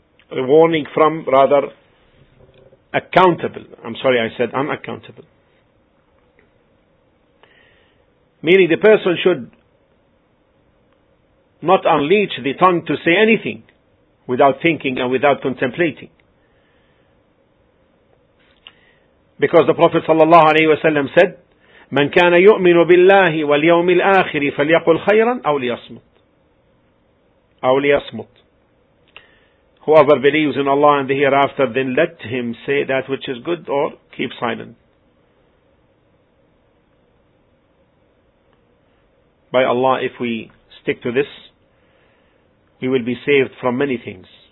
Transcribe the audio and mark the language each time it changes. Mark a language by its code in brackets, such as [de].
[en] A warning from, rather, accountable. I'm sorry, I said unaccountable. Meaning the person should not unleash the tongue to say anything without thinking and without contemplating. Because the Prophet sallallahu alaihi wasallam said, [ar] "من كان يؤمن بالله واليوم الآخر فليقل خيرا أو ليصمت." أو ليصمت. [en] Whoever believes in Allah and the hereafter, then let him say that which is good or keep silent. By Allah, if we stick to this, we will be saved from many things.